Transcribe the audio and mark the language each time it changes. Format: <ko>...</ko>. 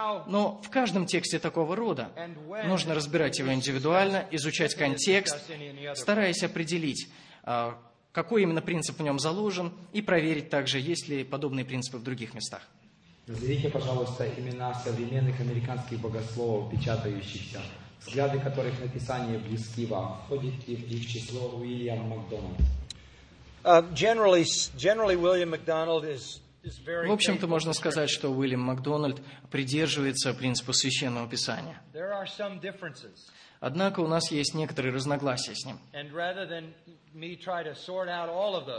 <ru>Но в каждом тексте такого рода нужно разбирать его индивидуально, изучать контекст, стараясь определить, какой именно принцип в нем заложен, и проверить также, есть ли подобные принципы в других местах. Назовите, пожалуйста, имена современных американских богословов, печатающихся, взгляды которых на Писание близки вам. Входит ли в их число Уильям Макдональд?</ru> <en>Generally, William MacDonald is very.</en> <ru>В общем-то, можно сказать, что Уильям Макдональд придерживается принципа Священного Писания.</ru> <en>There are some differences.</en> <ru>Однако у нас есть некоторые разногласия с ним.</ru> <en>And rather than me try to sort out all of those.</en>